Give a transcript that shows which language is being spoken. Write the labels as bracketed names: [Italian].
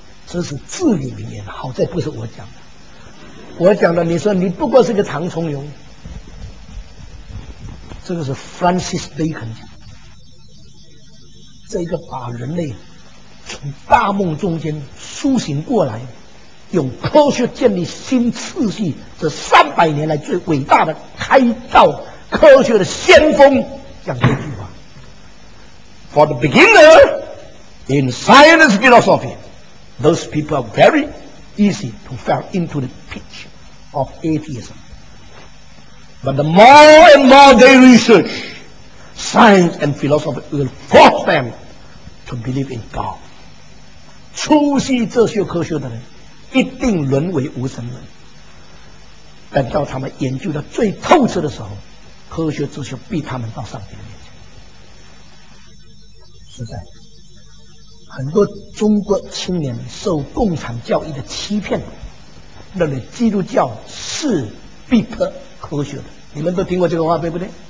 [Chinese] 这是至理名言，好在不是我讲的，我讲的你说你不过是个长虫蛹，这个是 Francis Bacon 讲，这个把人类从大梦中间苏醒过来，用科学建立新秩序，这三百年来最伟大的开道科学的先锋讲这句话。 [English] For the beginner in science philosophy, those people are very easy to fall into the pit of atheism. But the more and more they research, science and philosophy will force them to believe in God. [Chinese] 初期这些科学的人一定沦为无神论，等到他们研究的最透彻的时候，科学哲学逼他们到上帝的面前。实在很多中国青年受共产教义的欺骗，认为基督教是逼迫科学的，你们都听过这个话对不对？